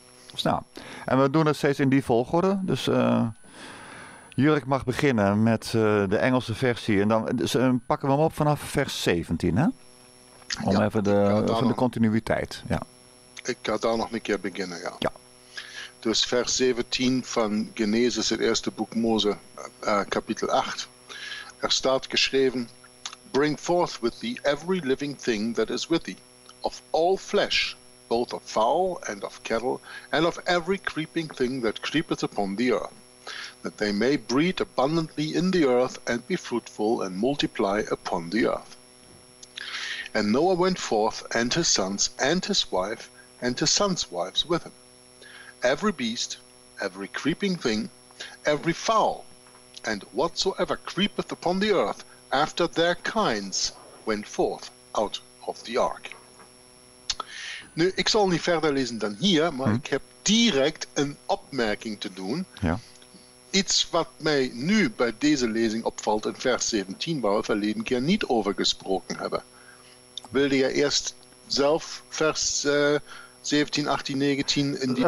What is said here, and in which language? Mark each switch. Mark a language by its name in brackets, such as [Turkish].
[Dutch] Dus nou, en we doen het steeds in die volgorde. Dus Jurk mag beginnen met de Engelse versie en dan dus, pakken we hem op vanaf vers 17. Hè? Om ja, even de continuïteit. Ja. Ik ga daar nog een keer beginnen, ja. Ja. Dus vers 17 van Genesis, het eerste boek Mose, kapitel 8. Er staat geschreven: [English] Bring forth with thee every living thing that is with thee, of all flesh, both of fowl and of cattle, and of every creeping thing that creepeth upon the earth, that they may breed abundantly in the earth, and be fruitful, and multiply upon the earth. And Noah went forth, and his sons, and his wife, and his sons' wives with him. Every beast, every creeping thing, every fowl, and whatsoever creepeth upon the earth, after their kinds went forth out of the ark. [Dutch] Nu, ik zal niet verder lezen dan hier, maar ik heb direct een opmerking te doen. Ja. Iets wat mij nu bij deze lezing opvalt in vers 17, waar we verleden keer niet over gesproken hebben. Wilde je eerst zelf vers 17, 18, 19 in die